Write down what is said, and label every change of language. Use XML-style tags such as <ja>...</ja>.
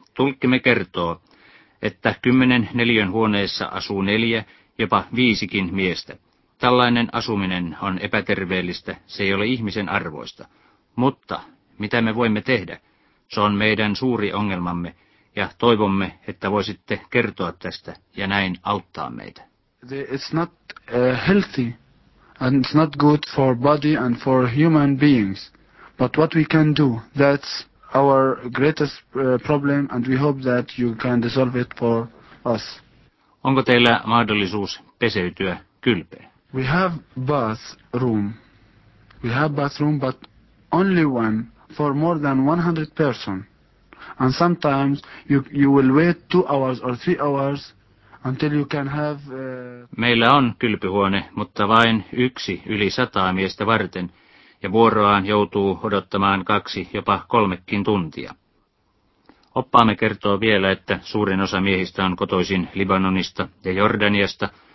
<fi>Tulkkimme kertoo, että 10 neliön huoneessa asuu 4, jopa 5 miestä. Tällainen asuminen on epäterveellistä, se ei ole ihmisen arvoista. Mutta mitä me voimme tehdä? Se on meidän suuri ongelmamme, ja toivomme, että voisitte kertoa tästä ja näin auttaa meitä.</fi> <en>It's not healthy, and it's not good for body and for human beings. But what we can do, that's our greatest problem, and we hope that you can resolve it for us.</en> <fi>Onko teillä mahdollisuus peseytyä kylpeen?</fi> <en>We have bathroom. We have bathroom, but only one for more than 100 person. And sometimes you will wait 2 hours or 3 hours until you can have.</en> <fi>Meillä on kylpyhuone, mutta vain 1 yli 100 miestä varten. Ja vuoroaan joutuu odottamaan 2, jopa 3 tuntia. Oppaamme kertoo vielä, että suurin osa miehistä on kotoisin Libanonista ja Jordaniasta.</fi>